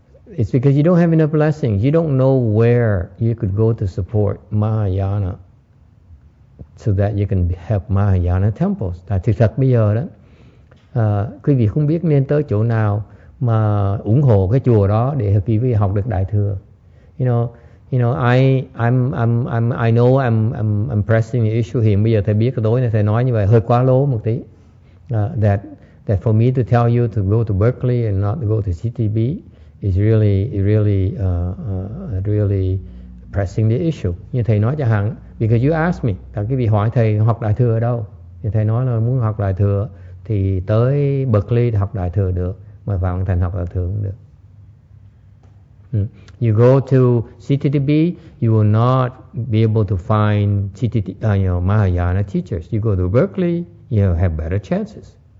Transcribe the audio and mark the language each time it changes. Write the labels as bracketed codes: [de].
[en] It's because you don't have enough blessings. You don't know where you could go to support Mahayana so that you can help Mahayana temples. [vi] Tại thực thật bây giờ đó, quý vị không biết nên tới chỗ nào mà ủng hộ cái chùa đó để quý vị học được đại thừa. [en] You know, I'm pressing the issue here. [vi] Bây giờ thầy biết tối nay thầy nói như vậy hơi quá lố một tí. [en] That for me to tell you to go to Berkeley and not to go to CTB is really pressing the issue. [vi] Như thầy nói cho hẳn, [en] because you asked me, [vi] tại quý vị hỏi thầy học đại thừa ở đâu, thì thầy nói là muốn học đại thừa thì tới Berkeley học đại thừa được, mà vào Hoàng Thành học đại thừa cũng được. [en] You go to CTTB, you will not be able to find Mahayana teachers. You go to Berkeley, you have better chances.